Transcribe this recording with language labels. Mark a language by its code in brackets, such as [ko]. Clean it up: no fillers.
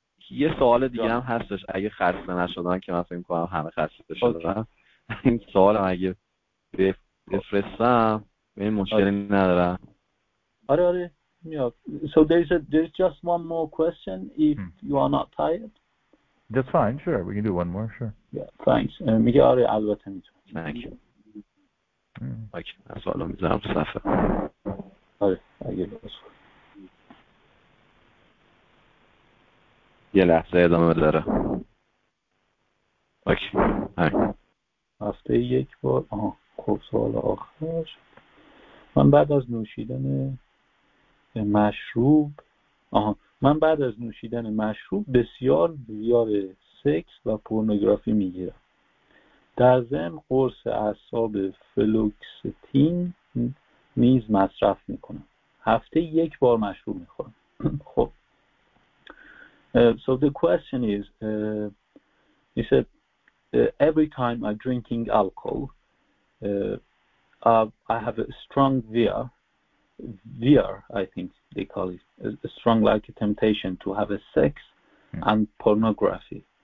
[fa] یه سوال دیگه هم هستش اگه خسته نشدن که من فکر می‌کنم همه خسته شدن. این سوال هم اگه بفرستم این مشکلی نداره. آره آره میاد. [en] So there's just one more question if you are not tired. That's fine, sure. We can do one more, sure. Yeah, thanks. [fa] میگه آره البته میتونم. [en] Thank you. [fa] اوکی از سوالو میذارم صفحه. آره اگه بسو یه لحظه ادامه داره. اوکی همین هفته یک بار خب سوال آخر من بعد از نوشیدن مشروب بسیار ویار سکس و پورنوگرافی میگیرم. در ضمن قرص اعصاب فلوکستین نیز مصرف میکنم. هفته یک بار مشروب میخورم. [en] خب so the question is he said every time I'm drinking alcohol I have a strong veer I think they call it a strong like a temptation to have a sex and pornography